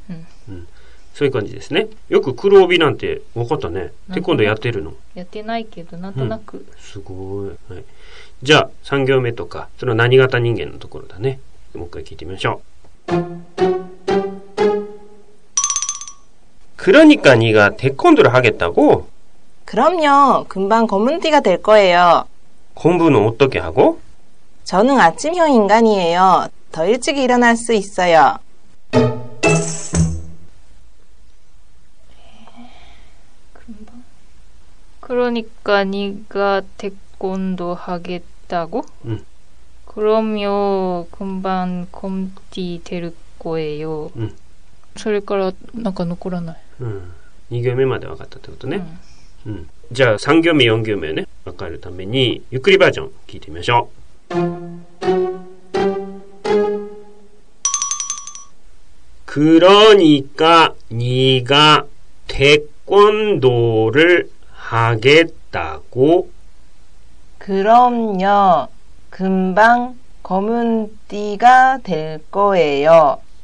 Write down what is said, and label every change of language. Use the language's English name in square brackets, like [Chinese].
[Japanese] うん。うん。そういう感じですね。よく黒帯なんて分かったね。テコンドーやってるの。やってないけど、なんとなく。うん、すごい。はい。じゃあ、3行目とか、その何型人間のところだね。もう一回聞いてみましょう。 [Korean] 그러니까네가태권도를하겠다고 그럼요。 금방고문티가될거예요。 공부는어떻게하고 저는아침형인간이에요。 더일찍일어날수있어요。 그러니까네가태권도하겠다고 응 그럼요금방곰띠될거예요 응 [Japanese] それからなんか残らない 응2行目まで分かったってことね응응じゃあ3行目4行目ね分かるためにゆっくりバージョン聞いてみましょう [Korean] 그러니까네가태권도를하겠다고 그럼요금방검은띠가될거예요